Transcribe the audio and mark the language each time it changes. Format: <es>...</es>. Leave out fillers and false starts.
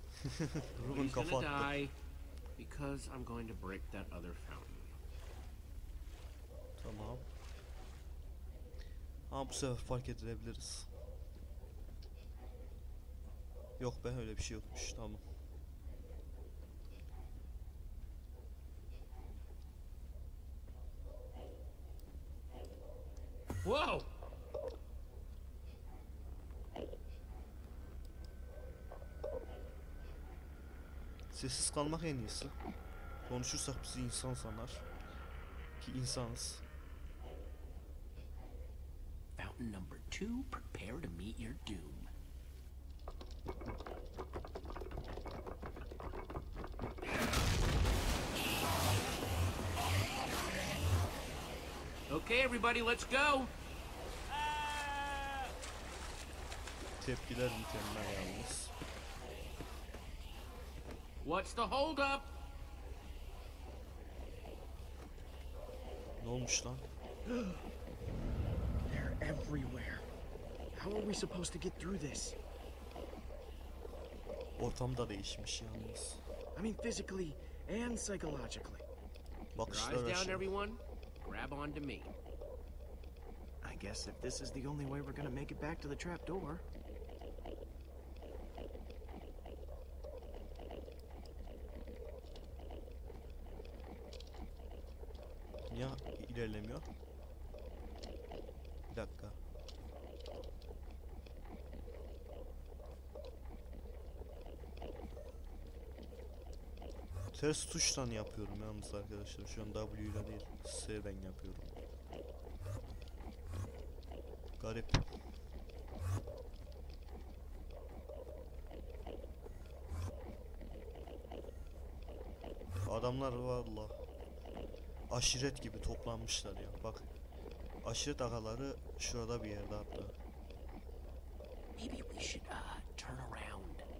<en>He's gonna die because I'm going to break that other fountain.</en> <tr>Tamam. Ama bu sefer fark edilebiliriz. Yok be, öyle bir şey yokmuş. Tamam. Wow! Sessiz kalmak en iyisi. Konuşursak bizi insan sanar. Ki insanız.</tr> <en>Fountain number two, prepare to meet your doom. Okay everybody, let's go.</en> <tr>Tepkiler mükemmel yalnız.</tr> <en>What's the hold up?</en> <tr>Ne olmuş lan?</tr> <en>They're everywhere. How are we supposed to get through this?</en> <tr>Ortam da değişmiş yalnız.</tr> <en>I mean physically and psychologically.</en> <tr>Bakışlar açıyor.</tr> <en>Down everyone. Grab onto me. I guess if this is the only way we're gonna make it back to the trap door.</en> <tr>Ya ilerlemiyor. Bir dakika. Ters tuştan yapıyorum yalnız arkadaşlar. Şu an W ile değil, S'den yapıyorum. Garip. Adamlar valla aşiret gibi toplanmışlar ya. Bak, aşiret ağaları şurada bir yerde hatta.</tr> <en>Maybe we should turn around.</en>